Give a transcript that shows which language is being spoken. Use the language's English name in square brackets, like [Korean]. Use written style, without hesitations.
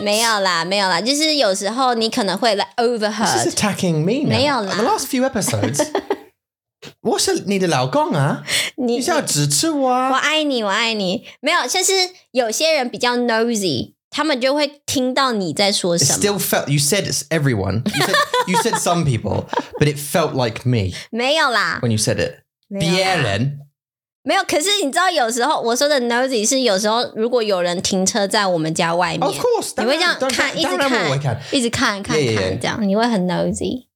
[Chinese] 没有啦，没有啦， 就是有时候你可能会 like overheard. [English] This is attacking me now. [Chinese] 没有啦。 [English] The last few episodes. [Chinese] 我是你的老公啊， 你是要指出我啊。我爱你，我爱你。没有，像是有些人比较 nosy， 他们就会听到你在说什么。 [English] It still felt, you said it's everyone. You said some people, but it felt like me. [Chinese] 没有啦。 [English] When you said it. [Chinese] 别人。没有，可是你知道有时候我说的 nosy 是有时候如果有人停车在我们家外面。 [English] Of course, [Chinese] 你会这样看，一直看，一直看，看，看，这样，你会很 nosy。